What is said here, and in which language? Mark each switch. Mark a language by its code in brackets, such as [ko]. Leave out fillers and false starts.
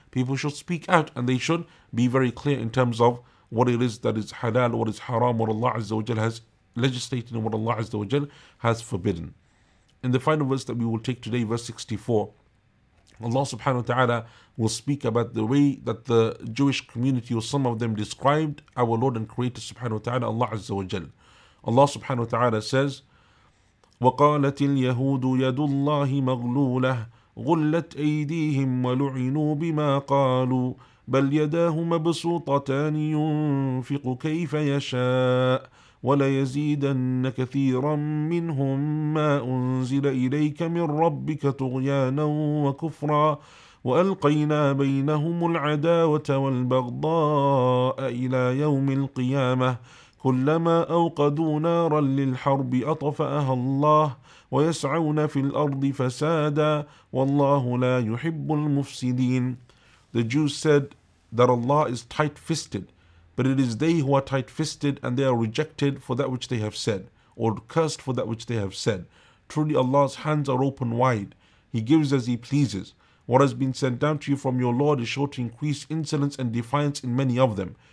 [en] People should speak out and they should be very clear in terms of what it is that is halal, what is haram, what Allah Azza wa Jal has legislated and what Allah Azza wa Jal has forbidden. In the final verse that we will take today, verse 64, Allah subhanahu wa ta'ala will speak about the way that the Jewish community or some of them described our Lord and Creator subhanahu wa ta'ala, Allah Azza wa Jal. Allah subhanahu wa ta'ala says, [ar] وَقَالَتِ الْيَهُودُ يَدُ اللَّهِ مَغْلُولَةٌ غُلَّتْ أَيْدِيهِمْ وَلُعِنُوا بِمَا قَالُوا بَلْ يَدَاهُ مَبْسُوطَتَانِ يُنْفِقُ كَيْفَ يَشَاءُ وليزيدن كثيرا منهم ما أنزل إليك من ربك طغيانا وكفرا وألقينا بينهم العداوة والبغضاء إلى يوم القيامة كلما أوقدوا نارا للحرب أطفأها الله ويسعون في الأرض فسادا والله لا يحب المفسدين. [en] The Jews said that Allah is tight-fisted. But it is they who are tight-fisted and they are rejected for that which they have said, or cursed for that which they have said. Truly Allah's hands are open wide. He gives as He pleases. What has been sent down to you from your Lord is sure to increase insolence and defiance in many of them.